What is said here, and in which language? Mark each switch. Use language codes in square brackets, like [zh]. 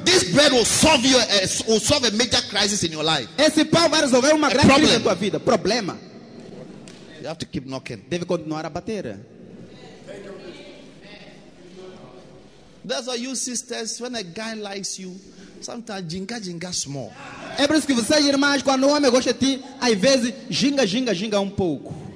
[en] This bread will solve you, will solve a major crisis in your life. [pt] Esse pão vai resolver uma grande crise na tua vida. Problema. [en] You have to keep knocking. [pt] Deve continuar a bater. [en] That's why you sisters, when a guy likes you, sometimes jinga small. [pt] É por isso que vocês irmãs, quando um homem gosta de ti, às vezes jinga um pouco.